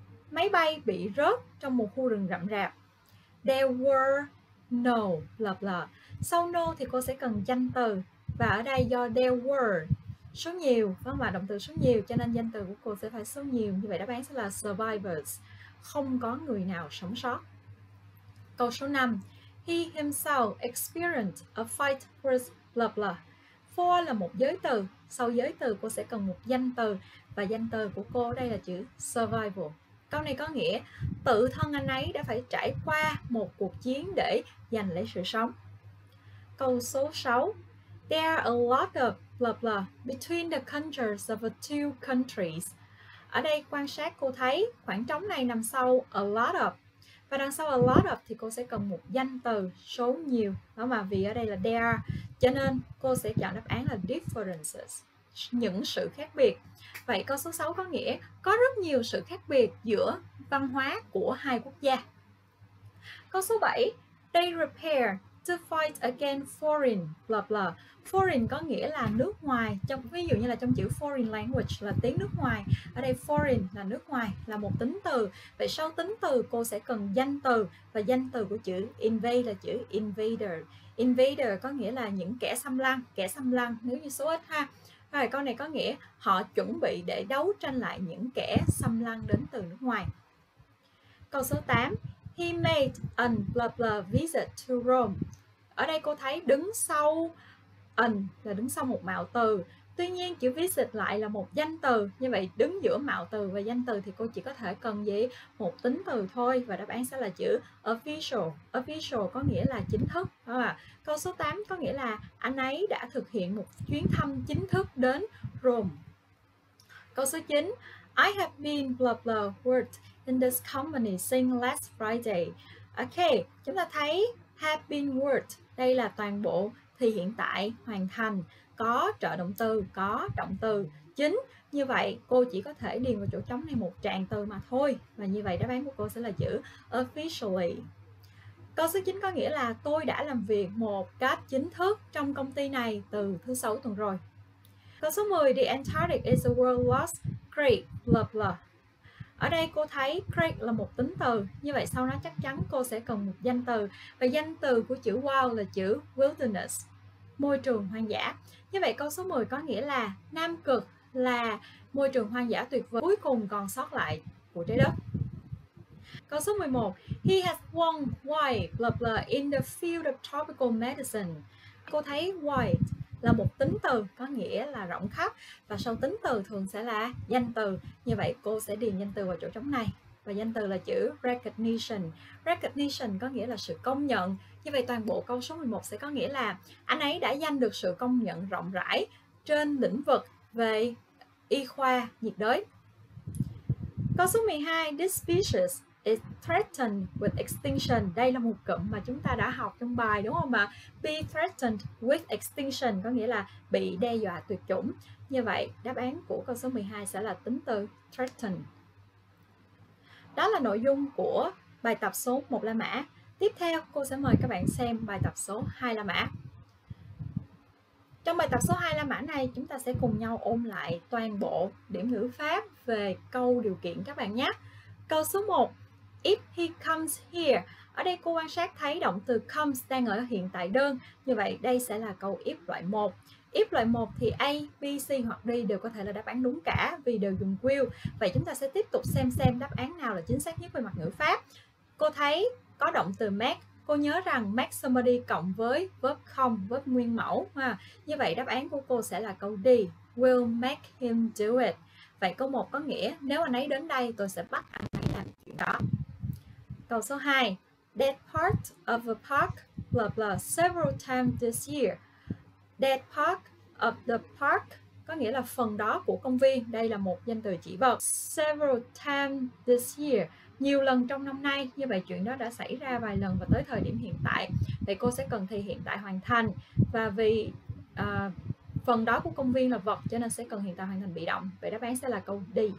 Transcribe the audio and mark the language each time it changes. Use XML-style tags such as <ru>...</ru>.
<vi>Máy bay bị rớt trong một khu rừng rậm rạp.</vi> <en>There were no blah blah.</en> <vi>Sau no thì cô sẽ cần danh từ. Và ở đây do there were số nhiều, phải không ạ? Động từ số nhiều cho nên danh từ của cô sẽ phải số nhiều. Như vậy đáp án sẽ là survivors. Không có người nào sống sót. Câu số 5.</vi> <en>He himself experienced a fight with blah blah.</en> <vi>For là một giới từ. Sau giới từ cô sẽ cần một danh từ. Và danh từ của cô đây là chữ survival. Câu này có nghĩa tự thân anh ấy đã phải trải qua một cuộc chiến để giành lấy sự sống. Câu số 6.</vi> <en>There are a lot of blah blah between the countries of the two countries.</en> <vi>Ở đây quan sát cô thấy khoảng trống này nằm sau a lot of. Và đằng sau a lot of thì cô sẽ cần một danh từ số nhiều. Đó mà vì ở đây là there, cho nên cô sẽ chọn đáp án là differences, những sự khác biệt. Vậy câu số 6 có nghĩa có rất nhiều sự khác biệt giữa văn hóa của hai quốc gia. Câu số 7.</vi> <en>They prepare to fight against foreign blah blah.</en> <vi>Foreign có nghĩa là nước ngoài, trong ví dụ như là trong chữ foreign language là tiếng nước ngoài. Ở đây foreign là nước ngoài, là một tính từ. Vậy sau tính từ cô sẽ cần danh từ. Và danh từ của chữ invade là chữ invader. Invader có nghĩa là những kẻ xâm lăng. Kẻ xâm lăng nếu như số ít ha. Rồi câu này có nghĩa họ chuẩn bị để đấu tranh lại những kẻ xâm lăng đến từ nước ngoài. Câu số 8.</vi> <en>He made a blah blah visit to Rome.</en> <vi>Ở đây cô thấy đứng sau an là đứng sau một mạo từ. Tuy nhiên chữ visit lại là một danh từ. Như vậy đứng giữa mạo từ và danh từ thì cô chỉ có thể cần gì? Một tính từ thôi. Và đáp án sẽ là chữ official. Official có nghĩa là chính thức. Câu số 8 có nghĩa là anh ấy đã thực hiện một chuyến thăm chính thức đến Rome. Câu số 9.</vi> <en>I have been blah blah worked in this company since last Friday.</en> <vi>Ok, chúng ta thấy have been worked. Đây là toàn bộ thì hiện tại hoàn thành. Có trợ động từ, có động từ chính. Như vậy cô chỉ có thể điền vào chỗ trống này một tràng từ mà thôi. Và như vậy đáp án của cô sẽ là chữ officially. Câu số 9 có nghĩa là tôi đã làm việc một cách chính thức trong công ty này từ thứ sáu tuần rồi. Câu số 10.</vi> <en>The Antarctic is the world's lost great blah blah.</en> <vi>Ở đây cô thấy great là một tính từ. Như vậy sau đó chắc chắn cô sẽ cần một danh từ. Và danh từ của chữ wild là chữ wilderness, môi trường hoang dã. Như vậy câu số 10 có nghĩa là Nam Cực là môi trường hoang dã tuyệt vời cuối cùng còn sót lại của trái đất. Câu số 11.</vi> <en>He has won white blah blah in the field of tropical medicine.</en> <vi>Cô thấy white là một tính từ có nghĩa là rộng khắp. Và sau tính từ thường sẽ là danh từ. Như vậy cô sẽ điền danh từ vào chỗ trống này. và danh từ là chữ recognition. Recognition có nghĩa là sự công nhận. Như vậy toàn bộ câu số 11 sẽ có nghĩa là anh ấy đã giành được sự công nhận rộng rãi trên lĩnh vực về y khoa nhiệt đới. Câu số 12,</vi> <en>this species is threatened with extinction.</en> <vi>Đây là một cụm mà chúng ta đã học trong bài đúng không ạ?</vi> <en>Be threatened with extinction</en> <vi>có nghĩa là bị đe dọa tuyệt chủng. Như vậy, đáp án của câu số 12 sẽ là tính từ threatened. Đó là nội dung của bài tập số 1 la mã. Tiếp theo, cô sẽ mời các bạn xem bài tập số 2 la mã. Trong bài tập số 2 la mã này, chúng ta sẽ cùng nhau ôn lại toàn bộ điểm ngữ pháp về câu điều kiện các bạn nhé. Câu số 1,</vi> <en>if he comes here.</en> <vi>Ở đây cô quan sát thấy động từ comes đang ở hiện tại đơn. Như vậy, đây sẽ là câu if loại 1. If loại 1 thì A, B, C hoặc D đều có thể là đáp án đúng cả vì đều dùng will. Vậy chúng ta sẽ tiếp tục xem đáp án nào là chính xác nhất về mặt ngữ pháp. Cô thấy có động từ make. Cô nhớ rằng make somebody cộng với verb come, verb nguyên mẫu. Như vậy đáp án của cô sẽ là câu D,</vi> <en>will make him do it.</en> <vi>Vậy câu 1 có nghĩa nếu anh ấy đến đây tôi sẽ bắt anh ấy làm chuyện đó. Câu số 2,</vi> <en>that part of the park blah blah several times this year.</en> <vi>That part of the park có nghĩa là phần đó của công viên. Đây là một danh từ chỉ vật.</vi> <en>Several times this year,</en> <vi>nhiều lần trong năm nay. Như vậy chuyện đó đã xảy ra vài lần và tới thời điểm hiện tại thì cô sẽ cần thì hiện tại hoàn thành. Và vì phần đó của công viên là vật cho nên sẽ cần hiện tại hoàn thành bị động. Vậy đáp án sẽ là câu D.</vi>